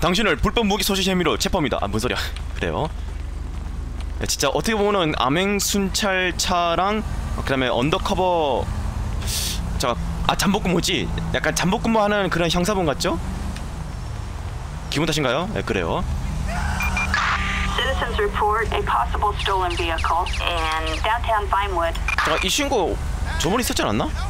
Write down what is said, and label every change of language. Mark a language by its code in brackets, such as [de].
[ko] 당신을 불법 무기 소지 혐의로 체포합니다. 아, 뭔 소리야. 그래요. 야, 진짜 어떻게 보면은 암행순찰차랑 그 다음에 언더커버 아, 잠복근무 뭐지? 약간 잠복근무 하는 그런 형사분 같죠? 기분 탓인가요? 네, 그래요. [en] Citizens report a possible stolen vehicle in downtown Vinewood. [ko] 잠깐, 이 친구 저번에 있었지 않았나?